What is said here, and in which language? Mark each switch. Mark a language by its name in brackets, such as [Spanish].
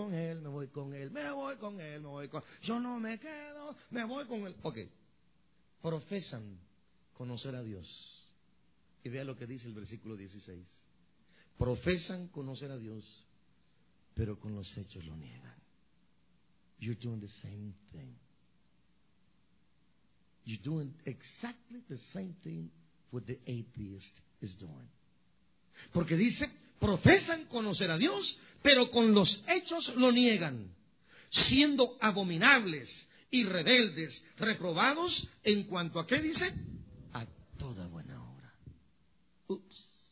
[Spanish] Me voy con Él. Yo no me quedo, me voy con Él. Ok. Profesan conocer a Dios. Y vea lo que dice el versículo 16. Profesan conocer a Dios, pero con los hechos lo niegan. [English] You're doing the same thing. You're doing exactly the same thing what the atheist is doing. [Spanish] Porque dice, profesan conocer a Dios, pero con los hechos lo niegan, siendo abominables y rebeldes, reprobados en cuanto a qué dice, a toda buena obra. Oops.